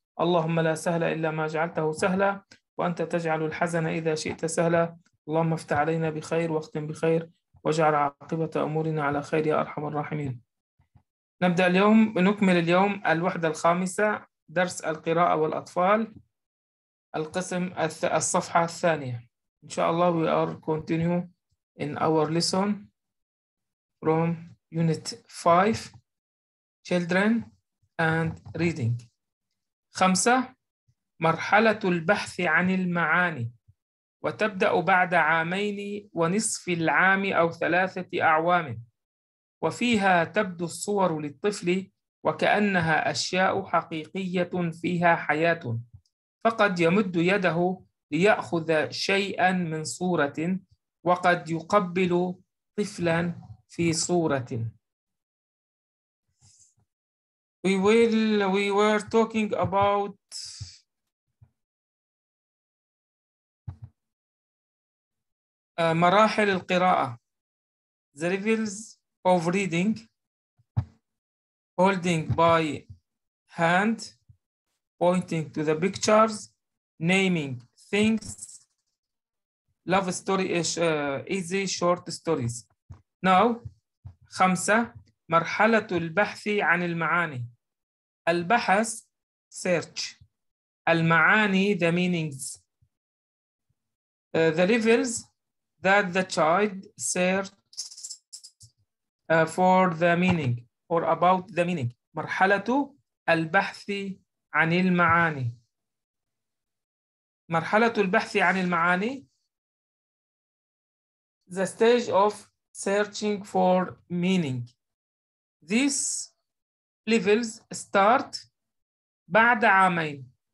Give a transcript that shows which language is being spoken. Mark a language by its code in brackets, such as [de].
[ar] اللهم لا سهل إلا ما جعلته سهلا، وأنت تجعل الحزن إذا شئت سهلا. اللهم افتح علينا بخير واختم بخير، واجعل عاقبة أمورنا على خير يا أرحم الراحمين. نبدأ اليوم، نكمل اليوم الوحدة الخامسة، درس القراءة والأطفال، القسم الصفحة الثانية. [en] Inshallah, we are continue in our lesson from Unit 5, Children and Reading. 5. [ar] مرحلة البحث عن المعاني وتبدأ بعد عامين ونصف العام أو ثلاثة أعوام، وفيها تبدو الصور للطفل وكأنها أشياء حقيقية فيها حياة، فقد يمد يده ليأخذ شيئا من صورة، وقد يقبل طفلا في صورة. [en] We were talking about [ar] مراحل القراءة. [en] The levels of reading: holding by hand, pointing to the pictures, naming things, love story is easy, short stories. Now, [ar] 5. مرحلة البحث عن المعاني. [en] البحث, search. المعاني, the meanings. The levels that the child searches for the meaning or about the meaning. [ar] مرحلة البحث عن المعاني. مرحلة البحث عن المعاني. [en] The stage of searching for meaning. These levels start [ar] بعد عامين.